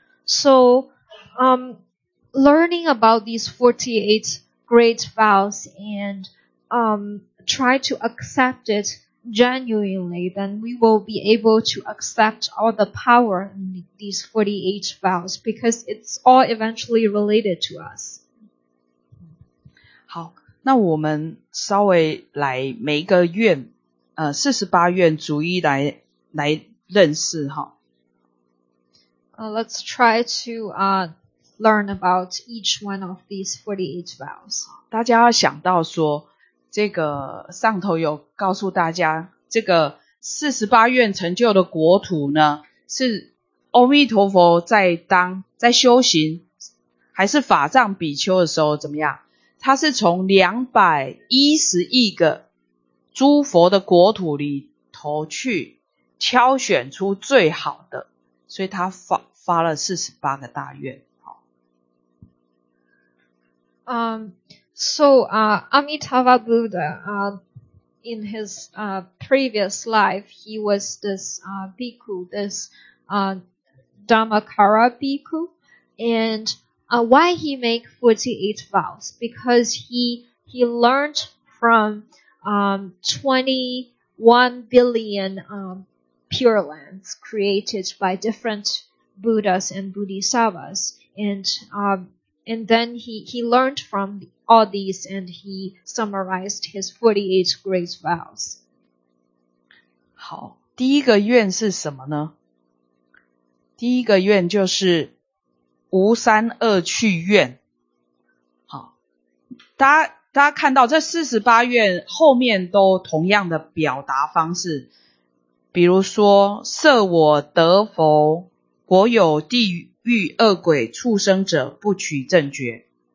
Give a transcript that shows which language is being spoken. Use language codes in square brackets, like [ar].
[en] So, learning about these 48 great vows and try to accept it genuinely, then we will be able to accept all the power in these 48 vows because it's all eventually related to us. [zh] 好，那我们稍微来每一个愿48愿逐一来认识哈。 [en] Let's try to learn about each one of these 48 vows. [zh] 大家要想到说，这个上头有告诉大家，这个48愿成就的国土呢，是阿弥陀佛在修行，还是法藏比丘的时候怎么样？他是从210亿个诸佛的国土里头去挑选出最好的，所以他发了48个大愿。 [en] So Amitabha Buddha, in his previous life, he was this bhikkhu, this Dhammakara bhikkhu. And why he make 48 vows? Because he learned from 21 billion pure lands created by different Buddhas and Bodhisattvas. And then he learned from all these and he summarized his 48 great vows. [zh] 好，第一个愿是什么呢？第一个愿就是无三恶趣愿。好，大家看到这48愿后面都同样的表达方式，比如说色我得佛，国有地狱恶鬼畜生者不取正觉。